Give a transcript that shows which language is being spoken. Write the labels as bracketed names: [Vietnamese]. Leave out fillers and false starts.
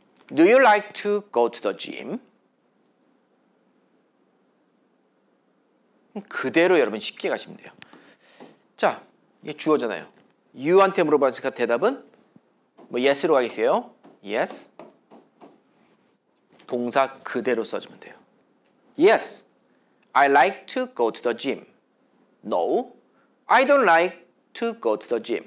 [English] Do you like to go to the gym? [Korean] 그대로 여러분 쉽게 가시면 돼요. 자, 이게 주어잖아요. You한테 물어봤으니까 대답은 뭐 yes로 가겠어요. [English] Yes. [Korean] 동사 그대로 써주면 돼요. [English] Yes, I like to go to the gym. No, I don't like to go to the gym.